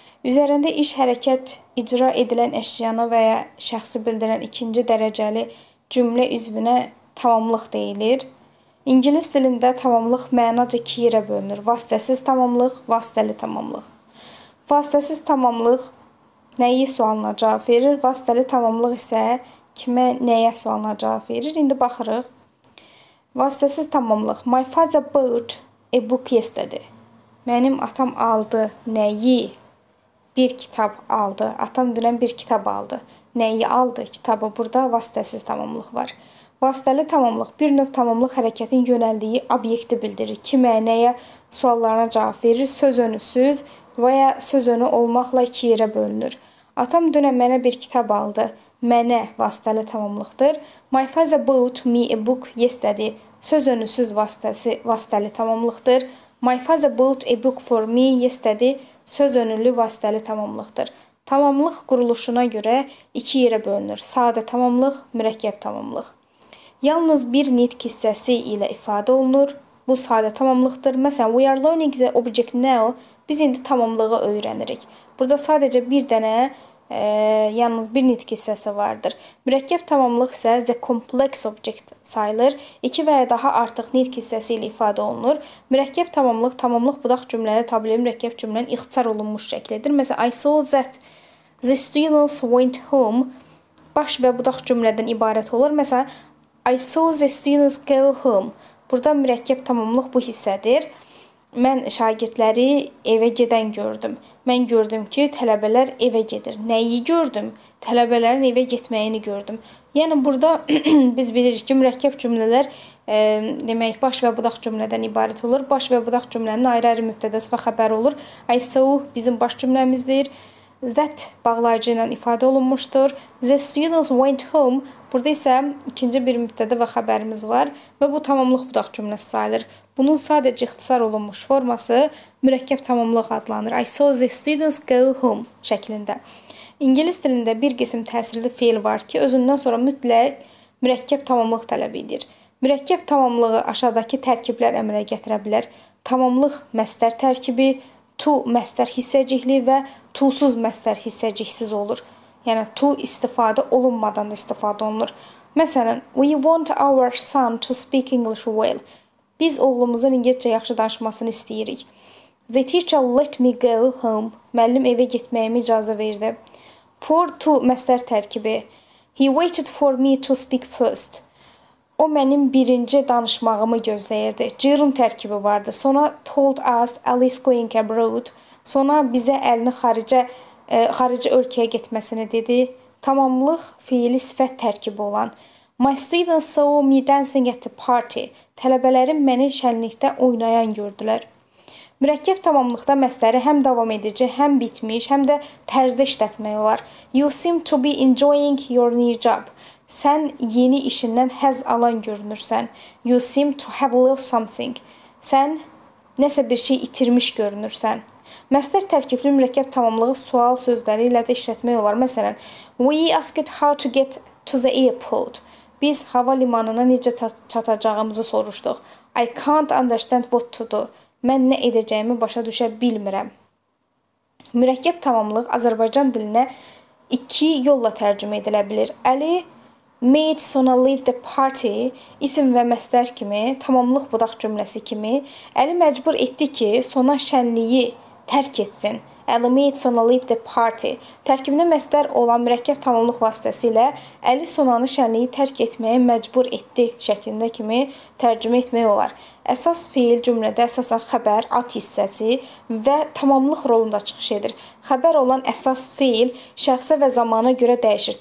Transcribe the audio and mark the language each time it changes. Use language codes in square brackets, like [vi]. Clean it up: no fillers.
[az] Üzərində iş hərəkət icra edilən əşyana və ya şəxsi bildirən ikinci dərəcəli cümlə üzvünə tamamlıq deyilir. İngilis dilində tamamlıq mənaca iki yerə bölünür. Vasitəsiz tamamlıq, vasitəli tamamlıq. Vasitəsiz tamamlıq nəyi sualına cavab verir? Vasitəli tamamlıq isə kime, nəyə sualına cavab verir? İndi baxırıq. Vasitəsiz tamamlıq. [en] My father bought a book yesterday. [az] Mənim atam aldı nəyi? Bir kitap aldı. Atam dünən bir kitap aldı. Nəyi aldı? Kitabı. Burada vasitəsiz tamamlıq var. Vasitəli tamamlıq. Bir növ tamamlıq hərəkətin yönəldiyi obyekti bildirir. Kimə, nəyə suallarına cavab verir? Söz önüsüz və ya söz önü olmaqla iki yerə bölünür. Atam dünən mənə bir kitap aldı. Mənə vasitəli tamamlıqdır. [en] My father bought me a book yesterday. [az] Söz önüsüz vasitəli tamamlıqdır. [en] My father bought a book for me yesterday. [az] Söz önüllü vasitəli tamamlıqdır. Tamamlıq quruluşuna görə iki yerə bölünür. Sadə tamamlıq, mürəkkəb tamamlıq. Yalnız bir nitq hissəsi ilə ifadə olunur. Bu sadə tamamlıqdır. Məsələn, [en] we are learning the object now. [az] Biz indi tamamlığı öyrənirik. Burada sadəcə bir dənə yalnız bir nitq hissəsi vardır. Mürəkkəb tamamlıq isə the complex object sayılır. İki və ya daha artıq nitq hissəsi ilə ifadə olunur. Mürəkkəb tamamlıq, tamamlıq budaq cümlədə tabeli mürəkkəb cümlənin ixtisar olunmuş şəklidir. [en] Məsələn, I saw that the students went home. [az] Baş və budaq cümlədən ibarət olur. Məsələn, [en] I saw the students go home. [az] Burada mürəkkəb tamamlıq bu hissədir. Mən şagirdləri evə gedən gördüm. Mən gördüm ki, tələbələr evə gedir. Nəyi gördüm? Tələbələrin evə getməyini gördüm. Yəni burada biz bilirik ki, mürəkkəb cümlələr demək baş və budaq cümlədən ibarət olur. Baş və budaq cümlənin ayrı-ayrı mübtədəsi və xəbəri olur. [en] I saw [az] bizim baş cümləmizdir. [en] That [az] bağlayıcı ilə ifadə olunmuşdur. [en] The students went home. [az] Burada isə ikinci bir mübtədə və xəbərimiz var və bu tamamlıq budaq cümləsi sayılır. Bunun sadəcə ixtisar olunmuş forması mürəkkəb tamamlıq adlanır. [en] I saw the students go home [az] şəklində. İngilis dilində bir qisim təsirli fiil var ki, özündən sonra mütləq mürəkkəb tamamlıq tələb edir. Mürəkkəb tamamlığı aşağıdakı tərkiblər əmələ gətirə bilər. Tamamlıq məsdər tərkibi, to məsdər hissəcikli və to-suz məsdər hissəciksiz olur. [en] Yəni to istifadə olunmadan istifadə olunur. Məsələn, we want our son to speak English well. [az] Biz oğlumuzun ingiliscə yaxşı danışmasını istəyirik. [en] The teacher let me go home. [az] Müəllim evə getməyimi icazə verdi. For to məsdər tərkibi. [en] He waited for me to speak first. [az] O mənim birinci danışmağımı gözləyirdi. Gerund tərkibi vardı. [en] Sonra told us Alice going abroad. [az] Sonra bizə əlini xarici ölkəyə getməsini dedi. Tamamlıq fiili sifət tərkibi olan. [en] My students saw me dancing at the party. [az] Tələbələrim məni şənlikdə oynayan gördülər. Mürəkkəb tamamlıqda məsləri həm davam edici, həm bitmiş, həm də tərzdə işlətmək olar. [en] You seem to be enjoying your new job. [az] Sən yeni işindən həz alan görünürsən. [en] You seem to have lost something. [az] Sən nəsə bir şey itirmiş görünürsən. Məsdər tərkibli mürəkkəb tamamlığı sual sözləri ilə də işlətmək olar. [en] Məsələn, we asked how to get to the airport. [az] Biz hava limanına necə çatacağımızı soruşduq. [en] I can't understand what to do. [az] Mən nə edəcəyimi başa düşə bilmirəm. Mürəkkəb tamamlıq Azərbaycan dilinə iki yolla tərcümə edilə bilir. [en] Ali made sona leave the party [az] isim və məsdər kimi, tamamlıq budaq cümləsi kimi. Ali məcbur etdi ki, sona şənliyi tərk etsin. [en] Ali made sona leave the party. [az] Tərkibində məsdər olan mürəkkəb tamamlıq vasitəsilə Ali sonanı şənliyi tərk etməyə məcbur etdi şəklində kimi tərcümə etmək olar. Əsas fiil cümlədə əsasən xəbər, at hissəsi və tamamlıq rolunda çıxış edir. Xəbər olan əsas fiil şəxsə və zamana görə dəyişir.